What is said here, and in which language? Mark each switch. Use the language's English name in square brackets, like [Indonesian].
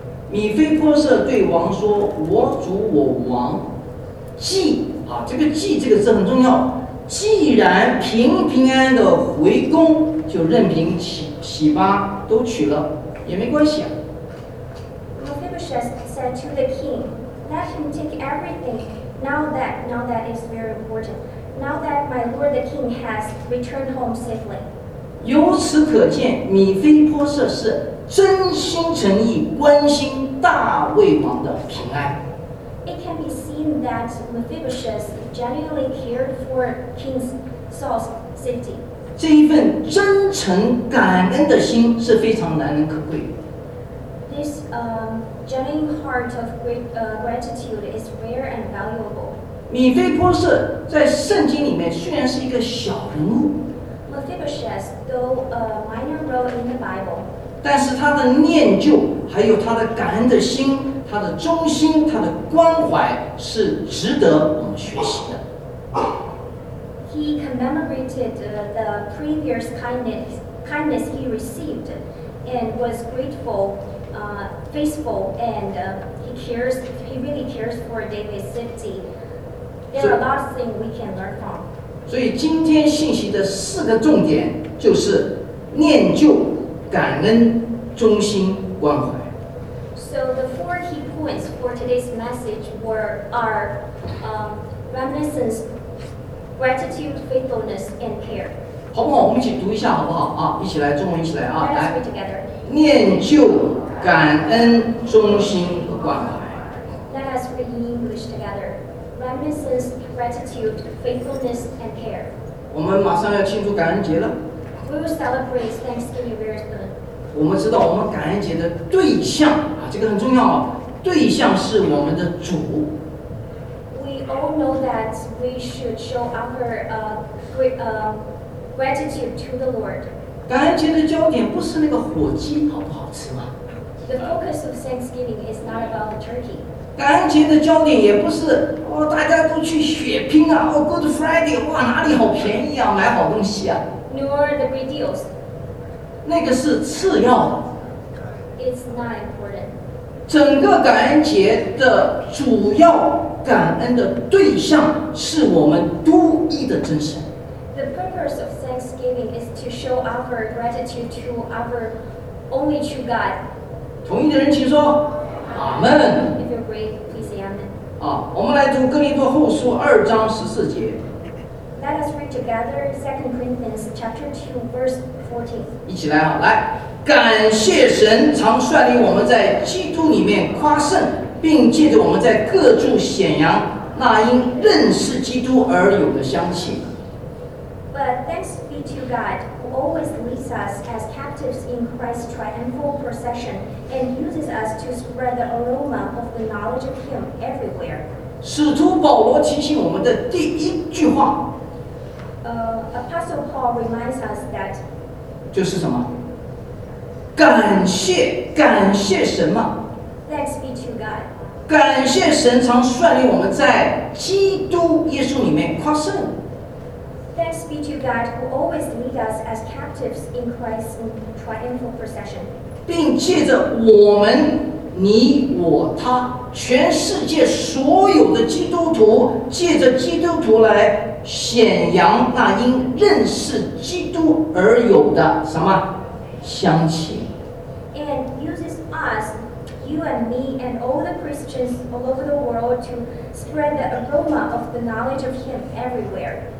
[Chinese] 米非波设对王说：“我主我王既这个‘既’这个字很重要，既然平平安安的回宫，就任凭洗巴都娶了，也没关系啊。” [English] Mephibosheth said to the king, "Let him take everything. Now that is very important. Now that my lord the king has returned home safely." [Chinese] 由此可见，米非波设是真心诚意关心大卫王的平安。 [English] It can be seen that Mephibosheth genuinely cared for King Saul's safety. [Chinese] 这一份真诚感恩的心是非常难能可贵。 [English] This genuine heart of gratitude is rare and valuable. [Chinese] 米非波设在圣经里面虽然是一个小人物。 [English] Mephibosheth, though a minor role in the Bible. [Chinese] 但是他的念旧，还有他的感恩的心，他的忠心，他的关怀，是值得我们学习的。 [English] He commemorated the previous kindness he received, and was grateful, faithful, and he cares. He really cares for David's safety. There are a lot of things we can learn from. [Chinese] 所以今天信息的四个重点就是念旧。感恩、忠心、关怀。 [English] So the four key points for today's message are reminiscence, gratitude, faithfulness, and care. [Chinese] 好不好？我们一起读一下，好不好？啊，一起来，中文一起来啊！来 [English] ，Let's read together. [Chinese] 念旧、感恩、忠心和关怀。 [English] Let us read in English together. Reminiscence, gratitude, faithfulness, and care. [Chinese] 我们马上要庆祝感恩节了。 [English] We will celebrate Thanksgiving very soon. [Chinese] 我们知道我们感恩节的对象啊，这个很重要啊。对象是我们的主。 [English] We all know that we should show our gratitude to the Lord. [Chinese] 感恩节的焦点不是那个火鸡好不好吃吗 [English] ？The focus of Thanksgiving is not about the turkey. [Chinese] 感恩节的焦点也不是哦，大家都去血拼啊，哦 ，Good Friday， 哇，哪里好便宜啊，买好东西啊。 [English] Nor the great deals. [Chinese] 那个是次要的。 [English] It's not important. [Chinese] 整个感恩节的主要感恩的对象是我们独一的真神。 [English] The purpose of Thanksgiving is to show our gratitude to our only true God. [Chinese] 同意的人请说，阿门。 [English] If you agree, please say amen. [Chinese] 啊，我们来读哥林多后书二章十四节。 [English] Let us read together 2 Corinthians chapter 2, verse 14. [Chinese] 一起来啊，来，感谢神常率领我们在基督里面夸胜，并借着我们在各处显扬那因认识基督而有的香气。 [English] But thanks be to God, who always leads us as captives in Christ's triumphal procession and uses us to spread the aroma of the knowledge of Him everywhere. [Chinese] 使徒保罗提醒我们的第一句话。 [English] Apostle Paul reminds us that [Chinese] 就是什么？感谢，感谢神嘛。 [English] Thanks be to God. [Chinese] 感谢神常率领我们在基督耶稣里面夸胜。 [English] Thanks be to God who always lead us as captives in Christ's triumphal procession. [Chinese] 并借着我们，你我他，全世界所有的基督徒，借着基督徒来。显扬那因认识基督而有的什么香气 [English] ？And uses us, you and me, and all the Christians all over the world to spread the aroma of the knowledge of Him everywhere.